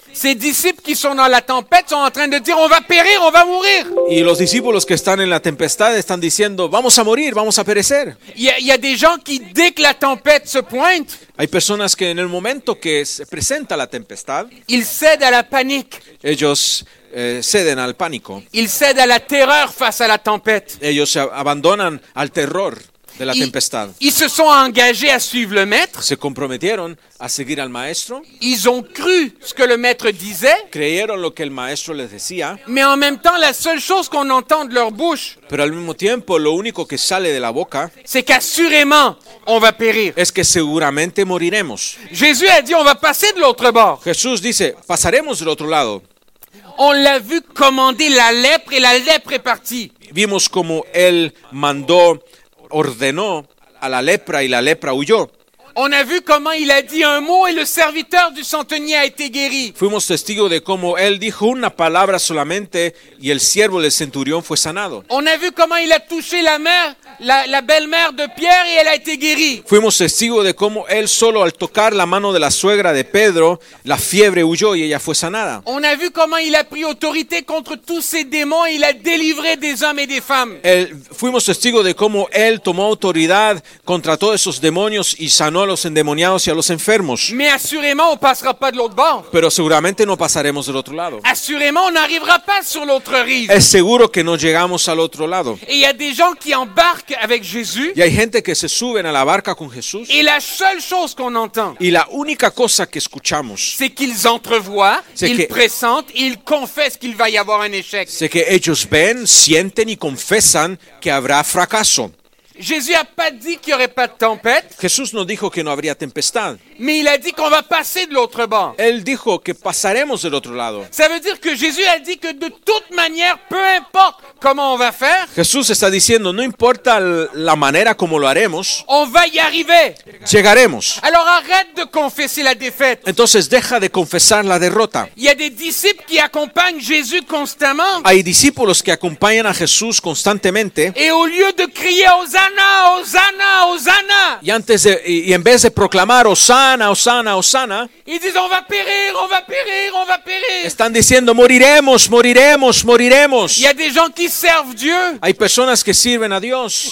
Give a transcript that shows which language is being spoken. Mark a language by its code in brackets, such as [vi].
[fr] Ces disciples qui sont dans la tempête sont en train de dire, on va périr, on va mourir. [es] Y los discípulos que están en la tempestad están diciendo, vamos a morir, vamos a perecer. [fr] Y a des gens qui, dès que la tempête se pointe, [es] hay personas que en el momento que se presenta la tempestad, [fr] ils cèdent à la panique. [es] Ellos ceden al pánico. [fr] Ils cèdent à la terreur face à la tempête. [es] Ellos se abandonan al terror de la tempestad. [fr] Ils se sont engagés à suivre le maître. [es] Se comprometieron a seguir al maestro. [fr] Ils ont cru ce que le maître disait. [es] Creyeron lo que el maestro les decía. [fr] Mais en même temps, la seule chose qu'on entend de leur bouche. [es] Pero al mismo tiempo, lo único que sale de la boca. [fr] C'est qu'assurément, on va périr. [es] Es que seguramente moriremos. [fr] Jésus a dit, on va passer de l'autre bord. [es] Jesús dice, pasaremos del otro lado. [fr] On l'a vu commander la lèpre et la lèpre est partie. [es] Vimos como él mandó. Ordenó a la lepra y la lepra huyó. [fr] On a vu comment il a dit un mot et le serviteur du centenier a été guéri. [es] Fuimos testigos de cómo él dijo una palabra solamente y el siervo del centurión fue sanado. [fr] On a vu comment il a touché la belle-mère de Pierre et elle a été guérie. [es] Fuimos testigos de cómo él solo al tocar la mano de la suegra de Pedro, la fiebre huyó y ella fue sanada. [fr] On a vu comment il a pris autorité contre tous ces démons et il a délivré des hommes et des femmes. [es] Fuimos testigos de cómo él tomó autoridad contra todos esos demonios y sanó a los endemoniados y a los enfermos. [fr] Mais assurément on passera pas de l'autre bord. [es] Pero seguramente no pasaremos del otro lado. [fr] Assurément on n'arrivera pas sur l'autre rive. [es] Es seguro que no llegamos al otro lado. [fr] Et il y a des gens qui embarquent avec Jésus. [es] Y hay gente que se suben a la barca con Jesús. [fr] Et la seule chose qu'on entend. [es] Y la única cosa que escuchamos. [fr] C'est qu'ils entrevoient, ils pressentent, ils confessent qu'il va y avoir un échec. C'est que [es] ellos ven, sienten y confesan que habrá fracaso. [fr] Jésus a pas dit qu'il y aurait pas de tempête. [es] Jesús no dijo que no habría tempestad. [fr] Mais il a dit qu'on va passer de l'autre bord. [es] Él dijo que pasaremos del otro lado. [fr] Ça veut dire que Jésus a dit que de toute manière, peu importe comment on va faire. [es] Jesús está diciendo, no importa la manera como lo haremos. [fr] On va y arriver. [es] Llegaremos. [fr] Alors arrête de confesser la défaite. [es] Entonces deja de confesar la derrota. [fr] Il y a des disciples qui accompagnent Jésus constamment. [es] Hay discípulos que acompañan a Jesús constantemente. [fr] Et au lieu de crier aux Hosanna, Hosanna, Hosanna. [es] Y antes de, y en vez de proclamar Hosanna, Hosanna, Hosanna, [fr] ils disent, on va périr, on va périr, on va périr. [es] Están diciendo moriremos, moriremos, moriremos. [fr] Y a des gens qui servent Dieu. [es] Hay personas que sirven a Dios.